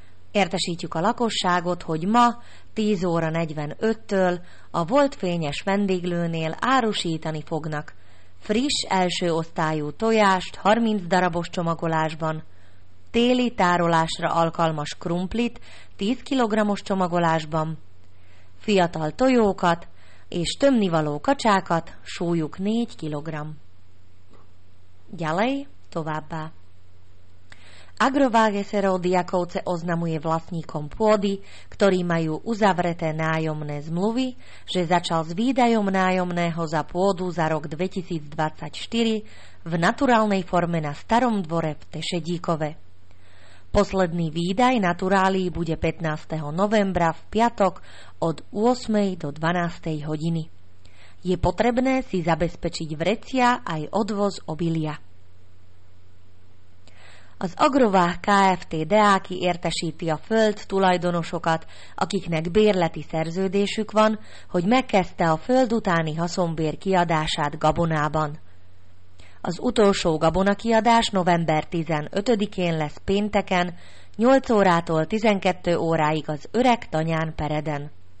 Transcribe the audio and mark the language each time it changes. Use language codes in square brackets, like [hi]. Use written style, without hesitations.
[hu] Értesítjük a lakosságot, hogy ma 10 óra 45-től a volt Fényes vendéglőnél árusítani fognak friss első osztályú tojást 30 darabos csomagolásban, téli tárolásra alkalmas krumplit 10 kg-os csomagolásban, fiatal tojókat és tömnivaló kacsákat súlyuk 4 kg. [sk] Ďalej továbbá. Agrovágeserov Diakovce oznamuje vlastníkom pôdy, ktorí majú uzavreté nájomné zmluvy, že začal s výdajom nájomného za pôdu za rok 2024 v naturálnej forme na starom dvore v Tešedíkove. Posledný výdaj naturálí bude 15. novembra v piatok od 8. do 12. hodiny. Je potrebné si zabezpečiť vrecia aj odvoz obilia. [hu] Az Agrovág Kft. Deáki értesíti a föld tulajdonosokat, akiknek bérleti szerződésük van, hogy megkezdte a föld utáni haszonbér kiadását gabonában. Az utolsó gabonakiadás november 15-én lesz pénteken, 8 órától 12 óráig az öreg tanyán Pereden.